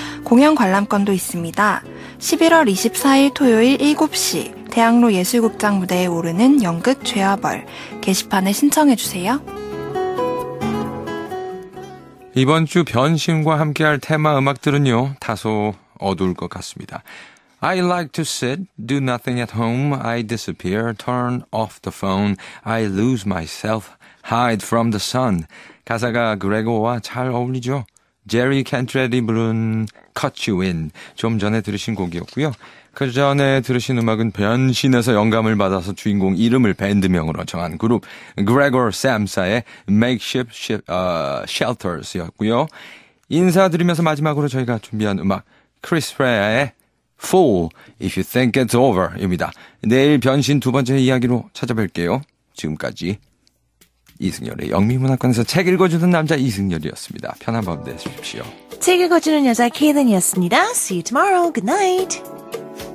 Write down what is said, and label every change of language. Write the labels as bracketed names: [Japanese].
[Korean] 공연 관람권도 있습니다. 11월 24일 토요일 7시 대학로 예술극장 무대에 오르는 연극 죄와 벌, 게시판에 신청해주세요. 이번 주 변신과 함께할 테마 음악들은요, 다소 어두울 것 같습니다. [English] I like to sit, do nothing at home, I disappear, turn off the phone, I lose myself, hide from the sun. [Korean] 가사가 그레고와 잘 어울리죠? 제리 캔트레디 부른 Cut You In, 좀 전에 들으신 곡이었고요. 그 전에 들으신 음악은 변신에서 영감을 받아서 주인공 이름을 밴드명으로 정한 그룹 Gregor Samsa의 Makeshift Shelters였고요. 인사드리면서 마지막으로 저희가 준비한 음악 Chris Rea의 Fool If You Think It's Over입니다. 내일 변신 두 번째 이야기로 찾아뵐게요. 지금까지 이승열의 영미문학관에서 책 읽어주는 남자 이승열이었습니다. 편한 밤 되십시오. 책 읽어주는 여자 케이든이었습니다. [English] See you tomorrow. Good night.